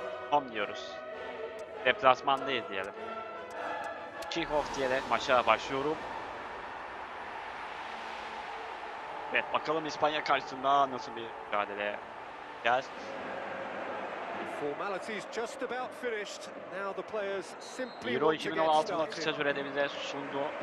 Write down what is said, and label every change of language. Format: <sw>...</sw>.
<tr>Home diyoruz. Deplasmandayız diyelim. Kickoff diyerek maça başlıyorum. Evet, bakalım İspanya karşısında nasıl bir mücadele yapacağız.</tr> <en>Formalities just about finished. Now the players simply</en> <tr>Euro 2016'da kısa sürede bize sundu.</tr>